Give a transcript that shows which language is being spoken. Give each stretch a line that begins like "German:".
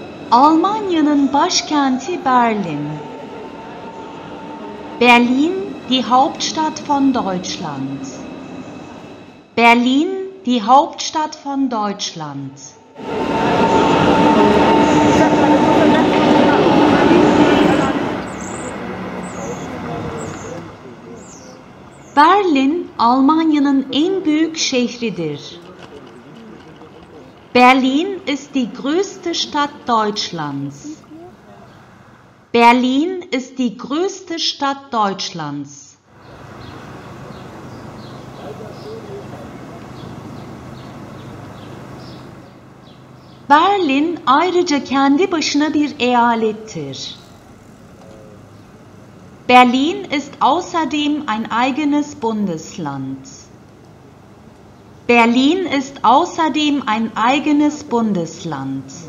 Turkish: Almanya'nın başkenti Berlin.
German: Berlin, die Hauptstadt von Deutschland. Berlin, die Hauptstadt von Deutschland.
Turkish: Berlin, Almanya'nın en büyük şehridir.
German: Berlin ist die größte Stadt Deutschlands. Berlin ist die größte Stadt Deutschlands.
Turkish: Berlin ayrıca kendi başına bir eyalettir.
German: Berlin ist außerdem ein eigenes Bundesland. Berlin ist außerdem ein eigenes Bundesland.